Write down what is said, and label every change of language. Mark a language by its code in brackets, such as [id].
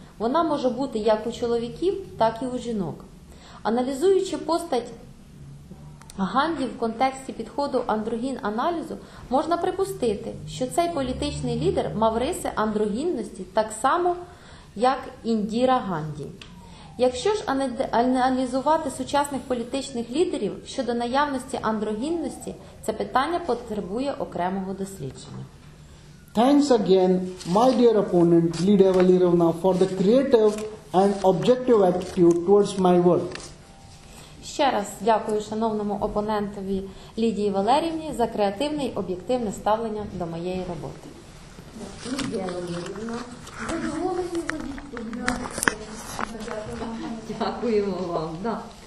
[uk] Вона може бути як у чоловіків, так і у жінок. Аналізуючи постать Ганді в контексті підходу андрогін-аналізу, можна припустити, що цей політичний лідер мав риси андрогінності так само, як Індіра Ганді. Якщо ж аналізувати сучасних політичних лідерів щодо наявності андрогінності, це питання потребує окремого дослідження. [en] Thanks again, my dear opponent, Lidia Valerievna, for the creative and objective attitude towards my work. [uk] Ще раз дякую шановному опонентові Лідії Валеріївні за креативне і об'єктивне ставлення до моєї роботи. Лідія Валеріївна, дякуємо вам. Да.